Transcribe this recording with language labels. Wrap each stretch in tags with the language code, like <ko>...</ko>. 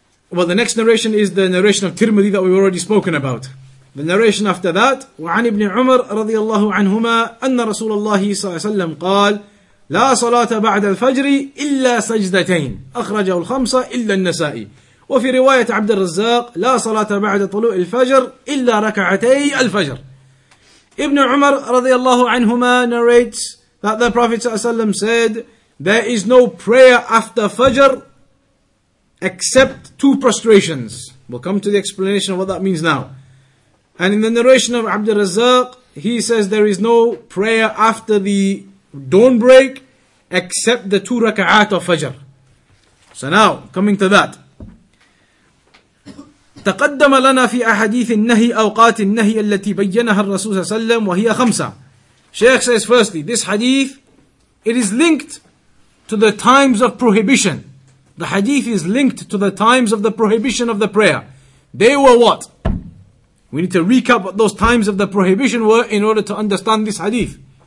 <en>The next narration is the narration of Tirmidhi that we've already spoken about. The narration after that,</en> <ar>وعن ابن عمر رضي الله عنهما أن رسول الله صلى الله عليه وسلم قال لا صلاة بعد الفجر إلا سجدتين أخرجه الخمسة إلا النسائي. وفي رواية عبد الرزاق لا صلاة بعد طلوع الفجر إلا ركعتي الفجر.</ar> <en>Ibn Umar</en> <ar>رضي الله عنهما</ar> <en>narrates that the Prophet</en> <ar>صلى الله عليه وسلم</ar> <en>said, there is no prayer after Fajr except two prostrations. We'll come to the explanation of what that means now. And in the narration of Abdul Razzaq, he says there is no prayer after the dawn break except the two raka'at of Fajr. So now, coming to that.</en> <ar>تقدم لنا في أحاديث النهي أوقات النهي التي بيّنها الرسول صلى الله عليه وسلم وهي خمسة.</ar> <en>Shaykh says, firstly, this hadith, it is linked to the times of prohibition. The hadith is linked to the times of the prohibition of the prayer. They were what? We need to recap what those times of the prohibition were in order to understand this hadith.</en>